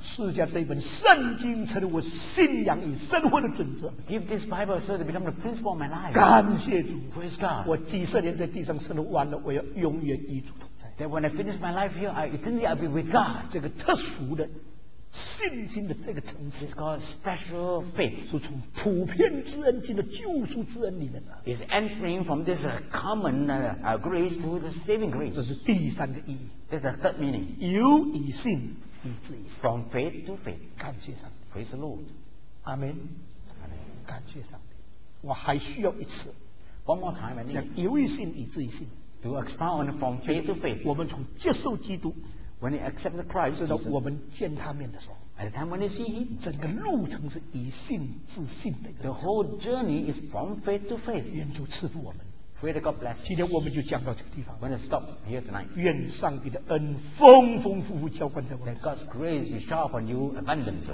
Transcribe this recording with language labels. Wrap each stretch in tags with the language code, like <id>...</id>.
<zh>赐下这本圣经成了我信仰与生活的准则。</zh> <en>Give this Bible so it becomes the principle of my life.</en> <zh>感谢主。</zh> <en>Praise God.</en> <zh>我几十年在地上生活完了，我要永远与主同在。</zh> <en>That when I finish my life here, I'll be with God.</en> <zh>这个特殊的信心的这个层次</zh> <en>is called special faith.</en> <zh>是从普遍之恩进的救赎之恩里面的。</zh> <en>Is entering from this common grace to the saving grace.</en> <zh>这是第三个意义。</zh> <en>That's the third meaning.</en> <zh>由以信，以至以信。</zh> <en>From faith to faith.</en> <zh>感谢上帝。</zh> <en>Praise the Lord. Amen. Amen.</en> <zh>感谢上帝。我还需要一次。</zh> <en>One more time, I need.</en> <zh>由以信，以至以信。</zh> <en>To expound on from faith to faith.</en> <zh>我们从接受基督。</zh> <en>When you accept the Christ,</en> <zh>直到我们见他面的时候。</zh> <en>At the time when you see him.</en> <zh>整个路程是以信至信的。</zh> <en>The whole journey is from faith to faith.</en> <zh>愿主赐福我们。</zh> <en>Pray that God bless.</en> <zh>今天我们就讲到这个地方。</zh> <en>We're going to stop here tonight.</en> <zh>愿上帝的恩丰丰富富浇灌在我们。</zh> <en>Let God's grace be shower upon you abundantly.</en>